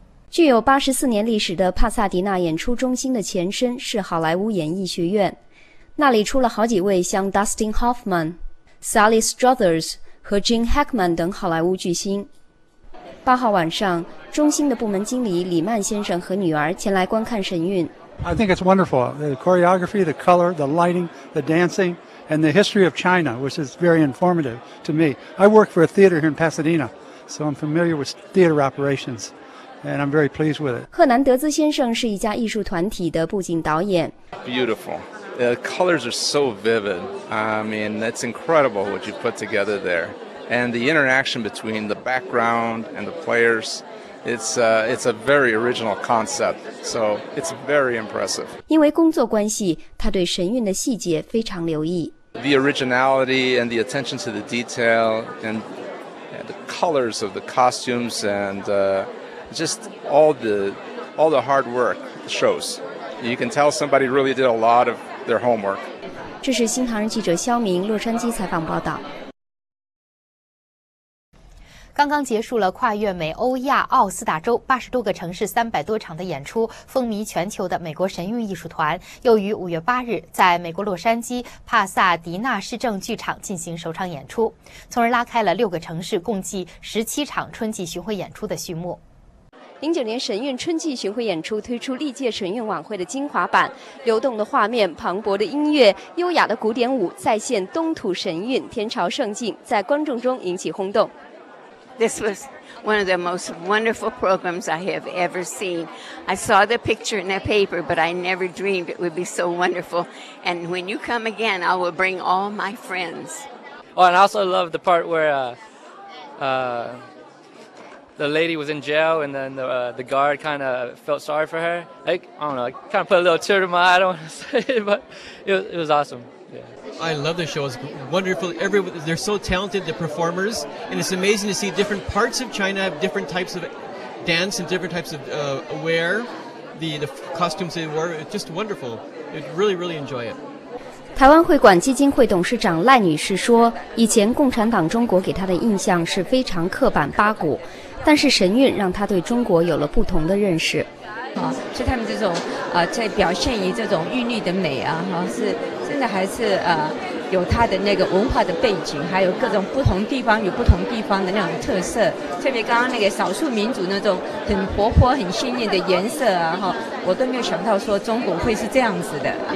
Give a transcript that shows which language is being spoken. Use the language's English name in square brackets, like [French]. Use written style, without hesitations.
[Chinese] 具有84年历史的帕萨迪纳演出中心的前身是好莱坞演艺学院，那里出了好几位像 Dustin Hoffman、 Sally Struthers 和 Gene Hackman 等好莱坞巨星。 8号晚上，中心的部门经理李曼先生和女儿前来观看神韵。 [English] I think it's wonderful. The choreography, the color, the lighting, the dancing, and the history of China, which is very informative to me. I work for a theater here in Pasadena, so I'm familiar with theater operations, and I'm very pleased with it. [Chinese] 赫南德兹先生是一家艺术团体的布景导演。 [English] Beautiful. The colors are so vivid. I mean, that's incredible what you put together there. And the interaction between the background and the players, it's a very original concept. So it's very impressive. [Chinese] 因为工作关系，他对神韵的细节非常留意。 [English] The originality and the attention to the detail and the colors of the costumes and just all the hard work shows. You can tell somebody really did a lot of their homework. [Chinese] 这是新唐人记者肖明洛杉矶采访报道。刚刚结束了跨越美欧亚澳四大洲80多个城市300多场的演出，风靡全球的美国神韵艺术团又于5月8日在美国洛杉矶帕萨迪纳市政剧场进行首场演出，从而拉开了6个城市共计17场春季巡回演出的序幕。 2009年神韵春季巡回演出推出历届神韵晚会的精华版，流动的画面、磅礴的音乐、优雅的古典舞，再现东土神韵天朝盛境，在观众中引起轰动。 [English] This was one of the most wonderful programs I have ever seen. I saw the picture in the paper, but I never dreamed it would be so wonderful. And when you come again, I will bring all my friends. Oh, and I also love the part where the lady was in jail and then the guard kind of felt sorry for her. Like, I don't know, I kind of put a little tear to my eye, I don't want to say it, but it was awesome. I love the show. It's wonderful. They're so talented, the performers. And it's amazing to see different parts of China have different types of dance and different types of wear, the costumes they wore. It's just wonderful. I really, really enjoy it. [Chinese] 台湾会馆基金会董事长赖女士说，以前共产党中国给她的印象是非常刻板八股，但是神韵让她对中国有了不同的认识。是他们这种在表现于这种韵律的美啊，是真的还是有它的那个文化的背景，还有各种不同地方有不同地方的那种特色，特别刚刚那个少数民族那种很活泼很鲜艳的颜色啊，我都没有想到说中国会是这样子的、